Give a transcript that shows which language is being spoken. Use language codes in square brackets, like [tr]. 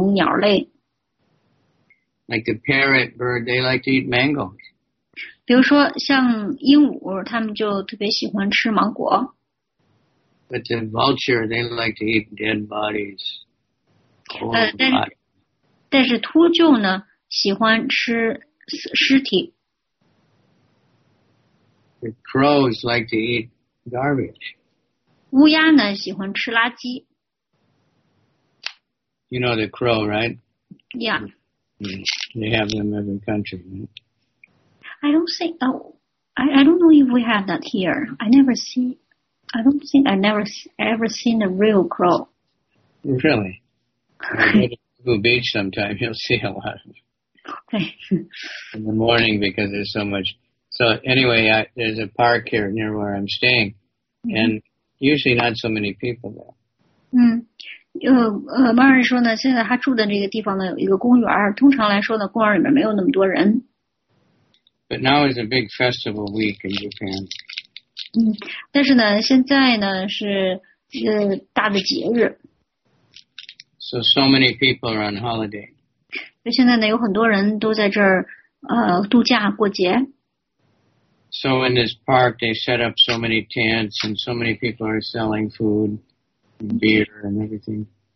[zh] 那大家都知道，舍勒帕帕给了我们的这个非常简单的例子。当然，我们也知道呢，有各种各样的生物体，有各种各样的人，有各种各样的昆虫、鸟类。Like [en] the parrot bird, they like to eat mangoes. [zh] 比如说，像鹦鹉，它们就特别喜欢吃芒果。But [en] the vulture, they like to eat dead bodies. [zh] 但是秃鹫呢，喜欢吃尸体。 [en] The crows like to eat garbage. [zh] 乌鸦呢，喜欢吃垃圾。 [en] You know the crow, right? Yeah. They have them in every country, right? I don't think, I don't know if we have that here. I never seen a real crow. Really? I go to the beach sometime, you'll see a lot of them. Okay. In the morning because there's so much. So anyway, there's a park here near where I'm staying, and usually not so many people there. [zh] 马尔说呢，现在他住的这个地方呢，有一个公园，通常来说呢，公园里面没有那么多人。But [en] now is a big festival week in Japan. [zh] 但是呢，现在呢，是一个大的节日。So [en] so many people are on holiday. [zh] 现在呢，有很多人都在这儿度假过节。 [en] So in this park, they set up so many tents, and so many people are selling food, and beer, and everything.